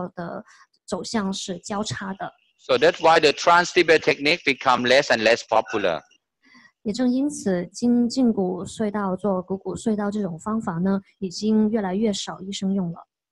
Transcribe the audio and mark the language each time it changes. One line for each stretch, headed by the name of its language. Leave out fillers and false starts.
Chinese: 这个根本原因呢，就在于髌骨直点是偏前的，但股骨直点呢又偏后，所以两条线相连，这个跟经髌骨隧道的走向是交叉的。So
English: that's why the transtibial technique become less and less popular.
Chinese: 也正因此，经髌骨隧道做股骨隧道这种方法呢，已经越来越少医生用了。